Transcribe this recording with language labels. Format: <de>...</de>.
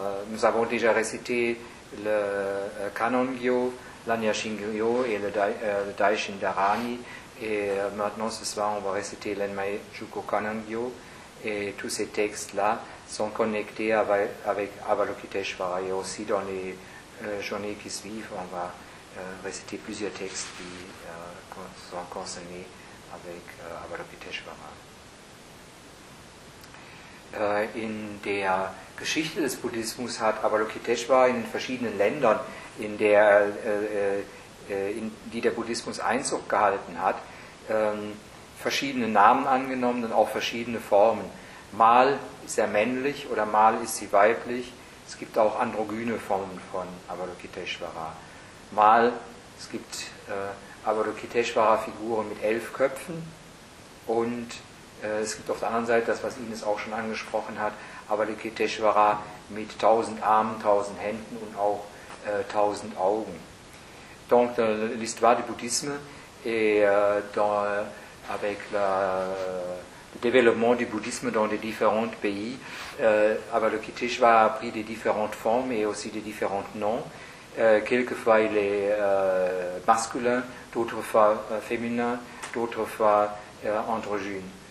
<fr>Nous avons déjà récité le Kanon Gyo, l'Anya Shingyo et le Daishin Dharani, et maintenant ce soir on va réciter l'Enmei Juku Kanon Gyo, et tous ces textes-là sont connectés avec Avalokiteshvara, et aussi dans les journées qui suivent on va réciter plusieurs textes qui sont concernés avec Avalokiteshvara.</fr> <de>In der Geschichte des Buddhismus hat Avalokiteshvara in verschiedenen Ländern, die der Buddhismus Einzug gehalten hat, verschiedene Namen angenommen und auch verschiedene Formen. Mal ist er männlich oder mal ist sie weiblich. Es gibt auch androgyne Formen von Avalokiteshvara. Mal, es gibt Avalokiteshvara-Figuren mit 11 Köpfen und es gibt auf der anderen Seite das, was Ines auch schon angesprochen hat, Avalokiteshvara mit 1000 Armen, 1000 Händen und auch 1000 Augen.</de> <fr>Donc, dans l'histoire du bouddhisme et avec le développement du bouddhisme dans les différents pays, Avalokiteshvara a pris des différentes formes et aussi des différents noms. Quelquefois il est masculin, d'autres fois féminin, d'autres fois androgyne.</fr>